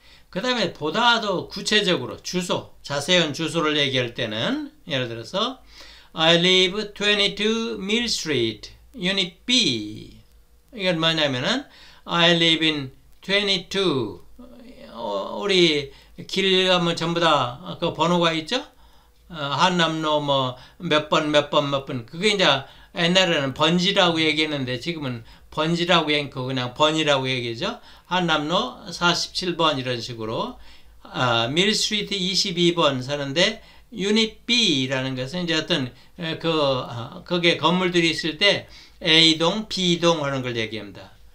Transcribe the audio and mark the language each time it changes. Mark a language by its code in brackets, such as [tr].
[ko] 그 다음에 보다 더 구체적으로 주소, 자세한 주소를 얘기할 때는 예를 들어서 [en] I live 22 Mill Street, Unit B. [ko] 이건 뭐냐면은 [en] I live in 22. [ko] 우리 길 가면 전부 다 그 번호가 있죠? 한남로 뭐 몇 번, 몇 번, 몇 번. 그게 이제 옛날에는 번지라고 얘기했는데 지금은 번지라고 얘기하고 그냥 번이라고 얘기하죠. 한남로 47번 이런 식으로 밀스트리트 22번 사는데 유닛 B라는 것은 이제 어떤 그 거기에 건물들이 있을 때 A동, B동 하는 걸 얘기합니다.